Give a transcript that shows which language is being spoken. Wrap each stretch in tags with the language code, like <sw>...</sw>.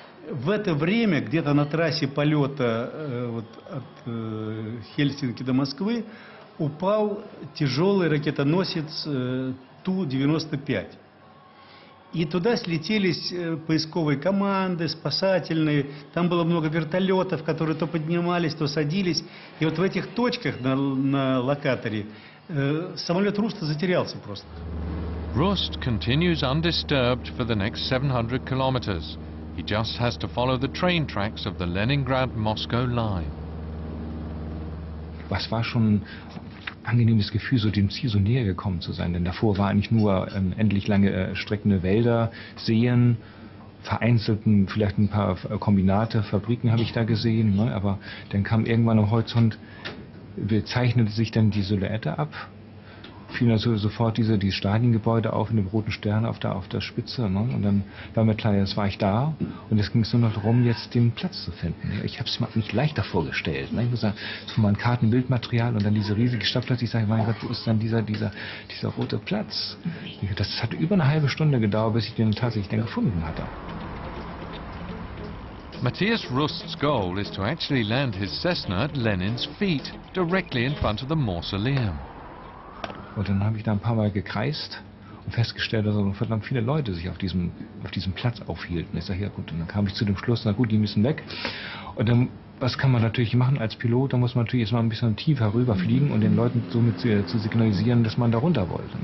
<ru>В это время, где-то на трассе полета вот, от Хельсинки до Москвы, упал тяжелый ракетоносец Ту-95. И туда слетелись поисковые команды, спасательные. Там было много вертолетов, которые то поднимались, то садились. И вот в этих точках на локаторе самолет Руста затерялся просто.</ru> <en>Rust continues undisturbed for the next 700 kilometers. He just has to follow the train tracks of the Leningrad-Moscow line.</en> <de>Was war schon ein angenehmes Gefühl, so dem Ziel so näher gekommen zu sein. Denn davor war eigentlich nur endlich lange streckende Wälder, Seen, vereinzelten, vielleicht ein paar Kombinate, Fabriken habe ich da gesehen. Ne? Aber dann kam irgendwann am Horizont, bezeichnete sich dann die Silhouette ab. Fielen also sofort diese Stalingebäude auf in dem roten Stern auf der Spitze. Ne? Und dann war mir klar, jetzt war ich da. Und jetzt ging es nur noch darum, jetzt den Platz zu finden. Ich habe es mir nicht leichter vorgestellt. Ne? Ich muss sagen, so mein Kartenbildmaterial und dann diese riesige Stadt plötzlich. Ich sage, mein Gott, wo ist dann dieser rote Platz? Das hat über eine halbe Stunde gedauert, bis ich den tatsächlich dann gefunden hatte.</de> <en>Matthias Rust's goal is to actually land his Cessna at Lenin's feet, directly in front of the mausoleum.</en> <de>Und dann habe ich da ein paar Mal gekreist und festgestellt, dass verdammt viele Leute sich auf diesem Platz aufhielten. Ich sage, ja gut, und dann kam ich zu dem Schluss, na gut, die müssen weg. Und dann, was kann man natürlich machen als Pilot? Da muss man natürlich erstmal ein bisschen tiefer rüberfliegen und den Leuten somit zu signalisieren, dass man da runter wollte.</de>